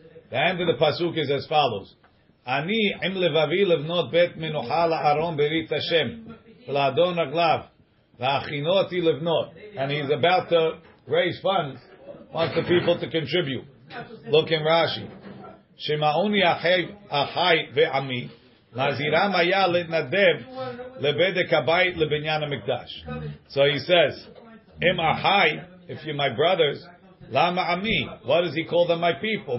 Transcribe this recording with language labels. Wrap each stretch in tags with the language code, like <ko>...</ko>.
<en>The end of the pasuk is as follows.</en> <he>אני עם לבבי לבנות בית מנוחה לארון ברית השם, לאדון רגליו, והכינו אותי לבנות.</he> <en>And he's about to raise funds, wants the people to contribute. Look in Rashi.</en> <he>שמעוני אחי ועמי, Naziram haya l'nadev lebedek habayit lebinyan hamikdash.</he> <en>So he says,</en> <he>"Im ahai,</he> <en>if you're my brothers,</en> <he>lama ami?</he> <en>What does he call them? My people.</en>